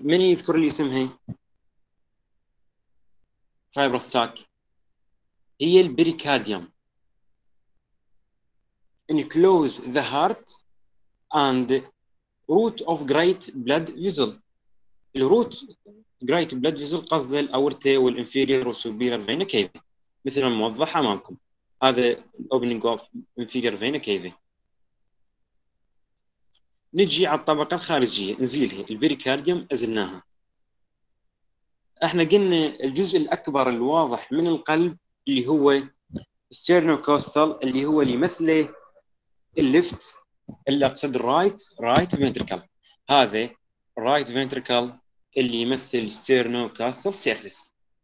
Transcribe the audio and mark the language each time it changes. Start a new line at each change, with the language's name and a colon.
Arabic: من يذكر لي اسمها؟ fibrous sac هي البريكارديوم.
English: enclose the heart and root of great blood vessel.
Arabic: الroot great blood vessel قصد الأورتة والinferior والsuperior vena cava مثل ما موضح أمامكم.
English: هذا opening of inferior vena cava.
Arabic: نجي على الطبقة الخارجية، نزيلها البريكارديوم، أزلناها. احنا قلنا الجزء الاكبر الواضح من القلب اللي هو sternocostal اللي هو اللي يمثله الليفت اللي اقصد رايت فنتركل، هذا رايت فنتركل اللي يمثل sternocostal سيرفيس،